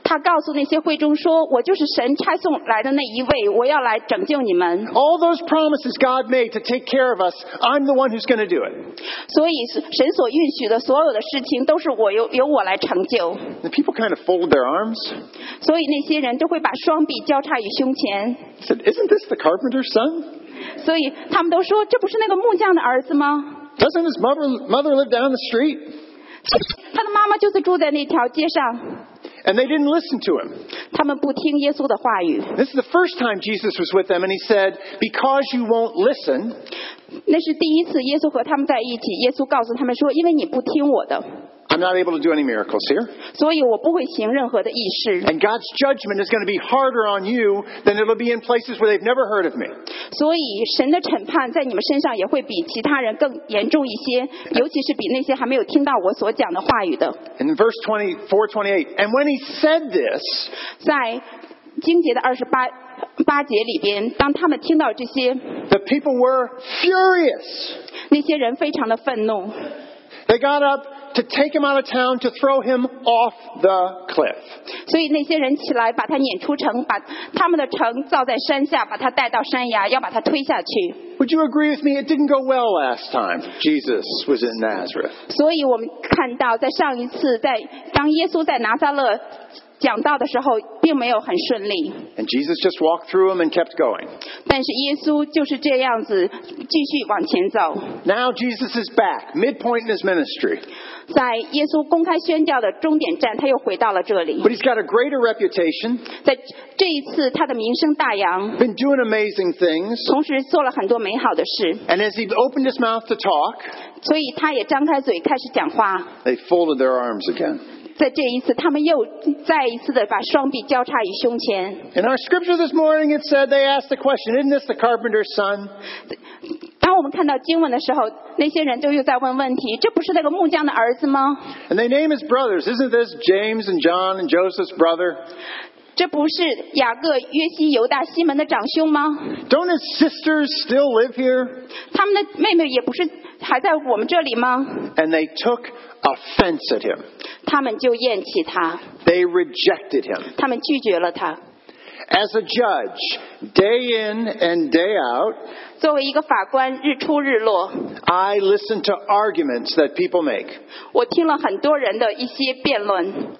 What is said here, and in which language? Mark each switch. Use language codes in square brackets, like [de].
[zh] 他告诉那些会众说我就是神差送来的那一位我要来拯救你们。 [en] All those promises God made to take care of us, I'm the one who's going to do it. [zh] 所以神所允许的所有的事情都是我 由我来成就 [en] The people kind of fold their arms [zh] 所以那些人都会把双臂交叉于胸前 [en] He said, isn't this the carpenter's son? [zh] 所以他们都说这不是那个木匠的儿子吗 [en] Doesn't his mother live down the street? [zh] 他的妈妈就是住在那条街上 [en] And they didn't listen to him. [zh] 他们不听耶稣的话语。 [en] This is the first time Jesus was with them, and he said, "Because you won't listen." [zh] 那是第一次耶稣和他们在一起。耶稣告诉他们说，因为你不听我的。 [en] I'm not able to do any miracles here. [zh] 所以我不会行任何的异事。 [en] And God's judgment is going to be harder on you than it'll be in places where they've never heard of me. [zh] 所以神的审判在你们身上也会比其他人更严重一些，尤其是比那些还没有听到我所讲的话语的。 [en] In verse 24:28, and when he said this, [zh] 在经节的二十八。八节里边，当他们听到这些 [en] ，The people were furious. [zh] 那些人非常的愤怒。 [en] They got up to take him out of town to throw him off the cliff. [zh] 所以那些人起来把他撵出城，把他们的城造在山下，把他带到山崖，要把他推下去。 [en] Would you agree with me? It didn't go well last time Jesus was in Nazareth. [zh] 所以我们看到在上一次，在当耶稣在拿撒勒。讲到的时候并没有很顺利 [en] And Jesus just walked through them and kept going. [zh] 但是耶稣就是这样子继续往前走 [en] Now Jesus is back, midpoint in his ministry. [zh] 在耶稣公开宣教的终点站他又回到了这里 [en] But he's got a greater reputation. [zh] 在这一次他的名声大扬 [en] Been doing amazing things. [zh] 同时做了很多美好的事 [en] And as he opened his mouth to talk, [zh] 所以他也张开嘴开始讲话 [en] They folded their arms again. [zh] 在这一次，他们又再一次的把双臂交叉于胸前。 [en] In our scripture this morning, it said they asked the question, "Isn't this the carpenter's son?" [zh] 当我们看到经文的时候，那些人都又在问问题：这不是那个木匠的儿子吗 [en] ？And they name his brothers. Isn't this James and John and Joseph's brother? [zh] 这不是雅各、约西、犹大、西门的长兄吗 [en] ？Don't his sisters still live here? [zh] 他们的妹妹也不是还在我们这里吗 [en] ？And they took. Offense at him. [zh] 他们就厌弃他。 [en] They rejected him. [zh] 他们拒绝了他。 [en] As a judge, day in and day out. [zh] 作为一个法官，日出日落。 [en] I listen to arguments that people make. [zh] 我听了很多人的一些辩论。